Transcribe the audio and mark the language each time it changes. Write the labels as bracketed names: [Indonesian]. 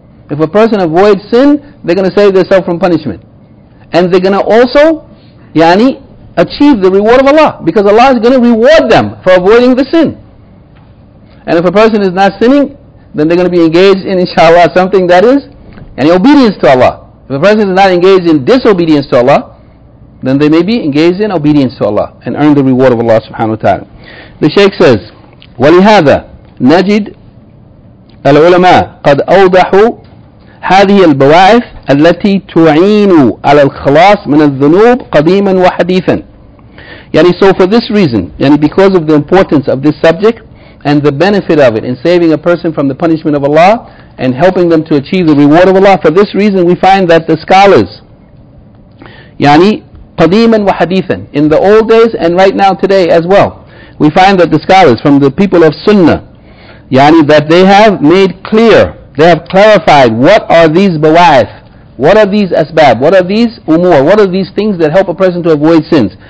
[English] If a person avoids sin, they're going to save themselves from punishment. And they're going to also, yani, achieve the reward of Allah, because Allah is going to reward them for avoiding the sin. And if a person is not sinning, then they're going to be engaged in, inshallah, something that is an obedience to Allah. If a person is not engaged in disobedience to Allah, then they may be engaged in obedience to Allah and earn the reward of Allah subhanahu wa ta'ala. The Shaykh says, [Arabic] وَلِهَذَا نَجِدْ الْعُلَمَاءَ قَدْ أَوْضَحُوا هَذِهِ الْبَوَاعِثَ الَّتِي تُعِينُ عَلَى الْخَلَاصِ مِنَ الذُّنُوبِ قَدِيمًا وَحَدِيثًا. [English] Yani, so for this reason, yani, because of the importance of this subject and the benefit of it in saving a person from the punishment of Allah and helping them to achieve the reward of Allah, for this reason we find that the scholars, yani, [Arabic] قَدِيمًا وَحَدِيثًا, [English] in the old days and right now today as well, we find that the scholars from the people of Sunnah, yani, that they have made clear, they have clarified what are these bawa'ith, what are these asbab, what are these umur, what are these things that help a person to avoid sins.